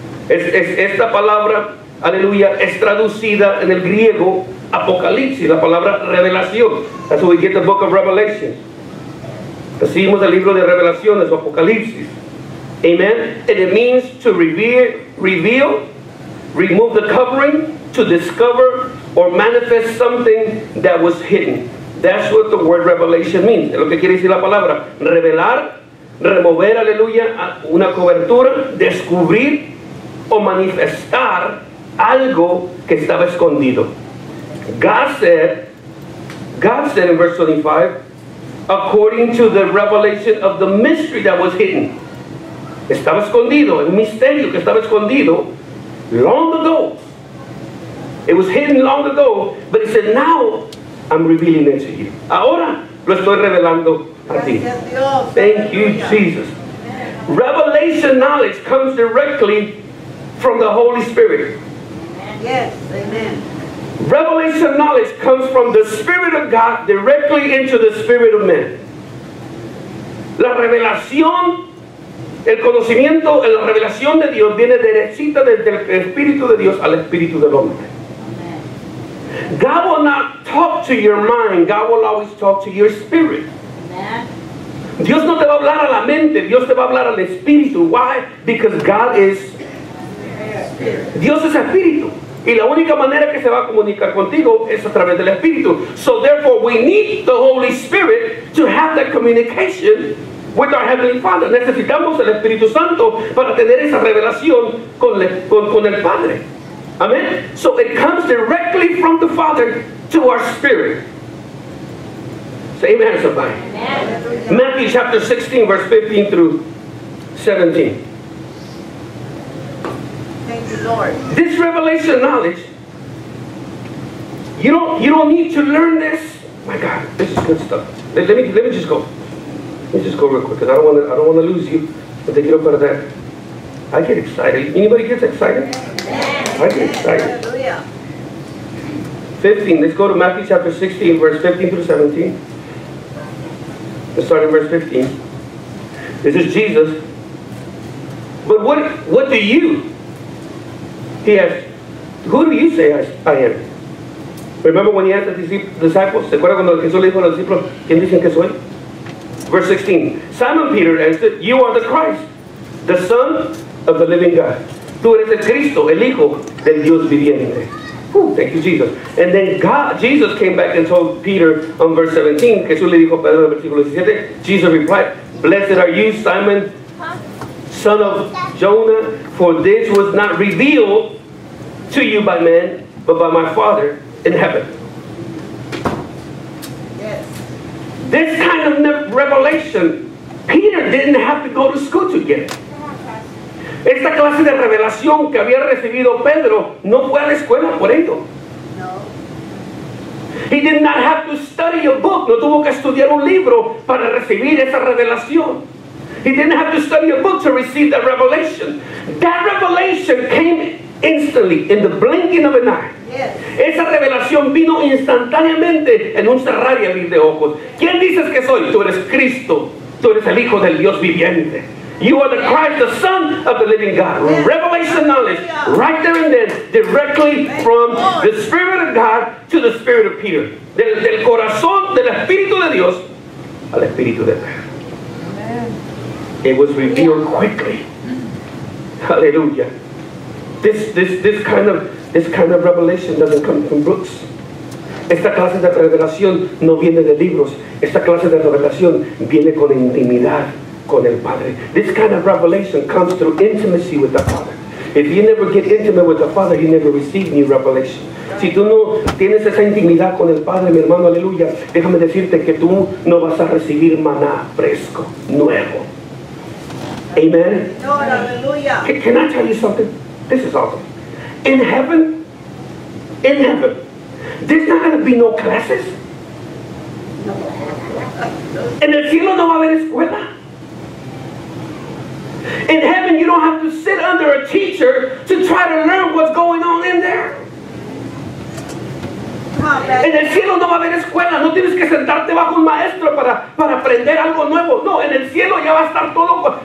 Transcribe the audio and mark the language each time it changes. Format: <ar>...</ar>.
<es>Es esta palabra, aleluya, es traducida en el griego apocalipsis, la palabra revelación.</es> <en>That's where we get the book of Revelation.</en> <es>Recibimos el libro de revelaciones, apocalipsis.</es> <en>Amen. And it means to reveal, remove the covering, to discover or manifest something that was hidden. That's what the word revelation means.</en> <es>Es lo que quiere decir la palabra. Revelar, remover, aleluya, una cobertura, descubrir o manifestar algo que estaba escondido.</es> <en>God said in verse 25, according to the revelation of the mystery that was hidden.</en> <es>Estaba escondido, un misterio que estaba escondido</es> <en>long ago. It was hidden long ago, but he said, now I'm revealing it to you.</en> <es>Ahora lo estoy revelando a ti.</es> <en>Thank you, Jesus. Revelation knowledge comes directly from the Holy Spirit. Yes, amen. Revelation knowledge comes from the Spirit of God directly into the spirit of man.</en> <es>La revelación El conocimiento, la revelación de Dios viene derechita desde el Espíritu de Dios al Espíritu del hombre.</es> <en>God will not talk to your mind. God will always talk to your spirit.</en> <es>Dios no te va a hablar a la mente. Dios te va a hablar al Espíritu.</es> <en>Why? Because God is Spirit.</en> <es>Dios es Espíritu. Y la única manera que se va a comunicar contigo es a través del Espíritu.</es> <en>So therefore we need the Holy Spirit to have that communication with our Heavenly Father.</en> <es>Necesitamos el Espíritu Santo para tener esa revelación con el Padre.</es> <en>Amen. So it comes directly from the Father to our spirit. Say amen, somebody. Amen. Matthew chapter 16, verse 15 through 17. Thank you, Lord. This revelation knowledge, you don't need to learn this. My God, this is good stuff. Let me just go. Let me just go real quick, because I don't want to lose you. But take it over that. I get excited. Anybody gets excited? Amen. I get excited. Hallelujah. 15. Let's go to Matthew chapter 16, verse 15 through 17. Let's start in verse 15. This is Jesus. But what do you? He asked, who do you say I am? Remember when he asked the disciples?</en> <es>¿Se acuerdan cuando Jesús le dijo a los discípulos, ¿quién dicen que soy?</es> <en>Verse 16. Simon Peter answered, you are the Christ, the Son of the living God.</en> <es>Tú eres el Cristo, el Hijo del Dios viviente.</es> <en>Whew, thank you, Jesus. And then Jesus came back and told Peter on verse 17.</en> <es>Jesús le dijo a Pedro en versículo 17.</es> <en>Jesus replied, blessed are you, Simon, son of Jonah, for this was not revealed to you by man, but by my Father in heaven. Yes. This kind of revelation, Peter didn't have to go to school to get it.</en> <es>Esta clase de revelación que había recibido Pedro no fue a la escuela por ello. No.</es> <en>He did not have to study a book.</en> <es>No tuvo que estudiar un libro para recibir esa revelación.</es> <en>He didn't have to study a book to receive that revelation. That revelation came instantly, in the blinking of an eye. Yes.</en> <es>Esa revelación vino instantáneamente en un cerrar y abrir de ojos. ¿Quién dices que soy? Tú eres Cristo. Tú eres el Hijo del Dios viviente.</es> <en>You are the Christ, the Son of the living God. Revelation knowledge, right there and then, directly from the Spirit of God to the Spirit of Peter.</en> <es>Del corazón del Espíritu de Dios al Espíritu de Pedro.</es> <en>It was revealed quickly. Hallelujah. This kind of revelation doesn't come from books.</en> <es>Esta clase de revelación no viene de libros. Esta clase de revelación viene con intimidad. Con el Padre.</es> <en>This kind of revelation comes through intimacy with the Father. If you never get intimate with the Father, you never receive new revelation.</en> <es>Si tú no tienes esa intimidad con el Padre, mi hermano, aleluya, déjame decirte que tú no vas a recibir maná fresco, nuevo.</es> <en>Amen. Lord, aleluya. Can I tell you something? This is awesome. In heaven, there's not going to be no classes. No.</en> <es>En el cielo no va a haber escuela.</es> <en>In heaven, you don't have to sit under a teacher to try to learn what's going on in there. Oh,</en> <es>en el cielo no va a haber escuela. No tienes que sentarte bajo un maestro para aprender algo nuevo. No, en el cielo ya va a estar todo.</es>